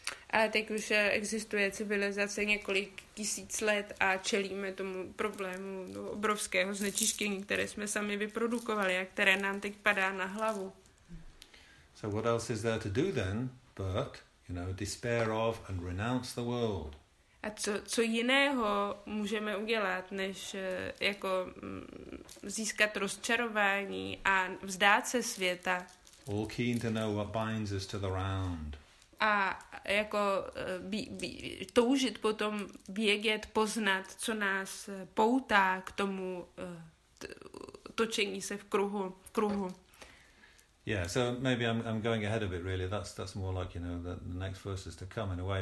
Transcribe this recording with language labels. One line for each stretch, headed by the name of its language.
Czech: Ale teď už existuje civilizace několik tisíc let a čelíme tomu problému obrovského znečištění, které jsme sami vyprodukovali a které nám teď padá na hlavu.
English: So what else is there to do then but, you know, despair of and renounce the world?
Czech: A co jiného můžeme udělat, než jako získat rozčarování a vzdát se světa?
English: All keen to know what binds us to the round.
Czech: A jako toužit potom vědět, poznat, co nás poutá k tomu točení se v kruhu.
English: Yeah, so maybe I'm going ahead a bit, really. That's more like, you know, the next verse is to come in a way.